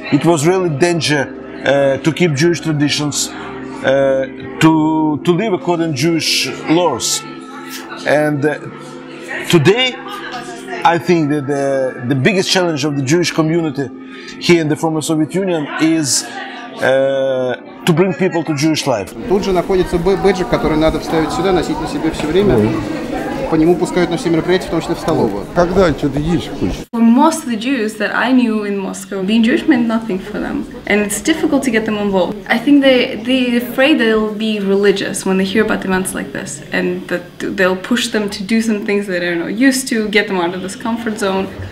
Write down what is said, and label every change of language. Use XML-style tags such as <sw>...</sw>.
<en>It was really danger to keep Jewish traditions, to live according to Jewish laws. And today, I think that the biggest challenge of the Jewish community here in the former Soviet Union is to bring people to Jewish life.</en> <ru>Тут же находится бейджик, который надо вставить сюда, носить на себе все время. По нему пускают на все мероприятия, в том числе в столовую. Когда что-то есть хочешь?</ru> <en>For most of the Jews that I knew in Moscow, being Jewish meant nothing for them, and it's difficult to get them involved. I think they're afraid they'll be religious when they hear about events like this, and that they'll push them to do some things that they're not used to, get them out of this comfort zone.</en>